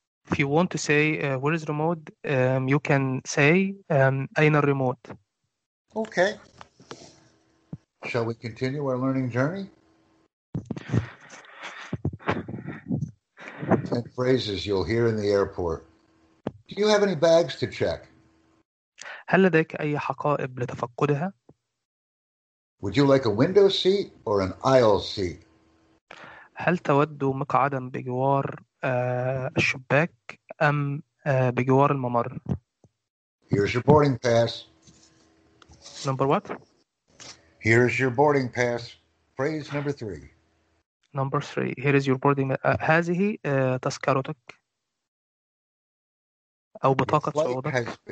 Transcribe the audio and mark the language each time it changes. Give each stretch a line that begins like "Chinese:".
English: If you want to say, where is remote, you can say, Aina remote. Okay. Shall we continue our learning journey? 10 phrases you'll hear in the airport. Do you have any bags to check?
Arabic: هل لديك أي حقائب لتفقدها؟
English: Would you like a window seat or an aisle seat?
Arabic: هل تود مقعدا بجوار الشباك أم بجوار الممر؟
English: Here's your boarding pass. Number what? Here's your boarding pass. Phrase number three. Number three. Here is your boarding.
Arabic: هذه تذكرتك أو بطاقة صعودك.